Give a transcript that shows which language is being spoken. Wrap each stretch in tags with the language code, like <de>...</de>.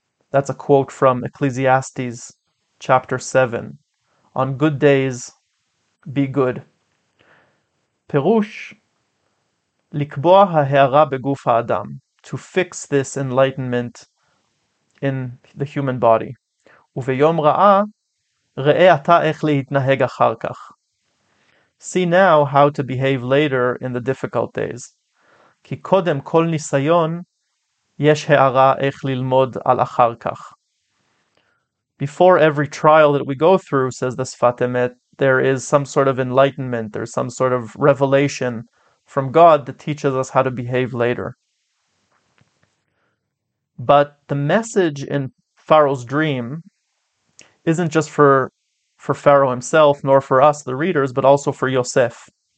<en>That's a quote from Ecclesiastes chapter 7. On good days, be good.</en> <he>Perush, likbo ha'hara beguf ha'adam,</he> <en>to fix this enlightenment in the human body.</en> <he>Uveyom ra'a, ראה אתה איך להתנהג אחר כך.</he> <en>See now how to behave later in the difficult days.</en> <he>כי קודם כל ניסיון, יש הערה איך ללמוד על אחר כך.</he> <en>Before every trial that we go through, says the Sfat Emet, there is some sort of enlightenment, there's some sort of revelation from God that teaches us how to behave later. But the message in Pharaoh's dream isn't just for Pharaoh himself, nor for us, the readers, but also for Yosef.</en>